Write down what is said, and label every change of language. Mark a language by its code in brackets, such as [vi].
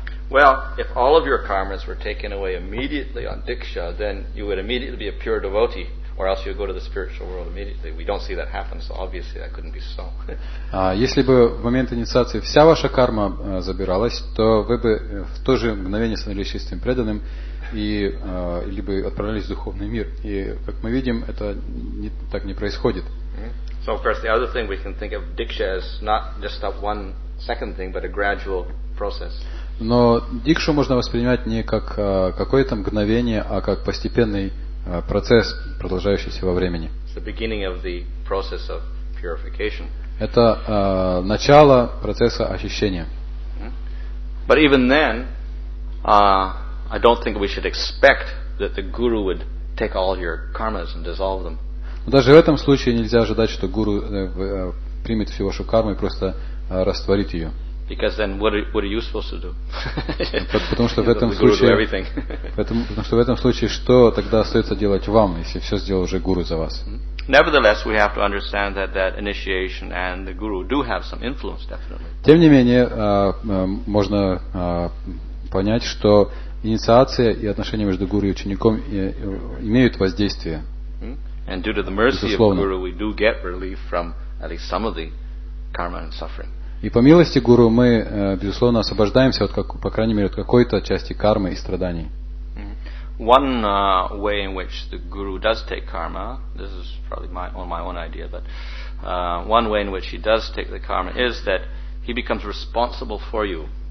[en] Well, if all of your karmas were taken away immediately on diksha, then you would immediately be a pure devotee, or else you would go to the spiritual world immediately. We don't see that happen, so obviously that couldn't be so. [ru] Если бы в момент инициации вся ваша карма забиралась, то вы бы в то же мгновение становились чистым преданным и либо отправлялись в духовный мир. И как мы видим, это не, так не происходит. [en] So, of course, the other thing we can think of diksha as not just that one second thing, but a gradual process. [ru] Но дикшу можно воспринимать не как какое-то мгновение, а как постепенный процесс, продолжающийся во времени. [en] It's the beginning of the process of purification. [ru] Это начало процесса очищения. [en] But even then, I don't think we should expect that the guru would take all your karmas and dissolve them. [ru] Но даже в этом случае нельзя ожидать, что гуру примет всю вашу карму и просто растворит ее. [en] Because then what are you supposed to do? [ru] Потому что в этом случае, потому что в этом случае, что тогда остается делать вам, если все сделал уже гуру за вас? [en] Nevertheless, we have to understand that initiation and the guru do have some influence, definitely. [ru] Тем не менее, можно понять, что инициация и отношения между гуру и учеником имеют воздействие. [en] And due to the mercy of guru, we do get relief from at least some of the karma and suffering. [ru] И по милости гуру мы, безусловно, освобождаемся от, как, по крайней мере, от какой-то части кармы и страданий. [en] One way in which the guru does take karma, this is probably my own idea, but one way in which he does take the karma is that he becomes responsible for you.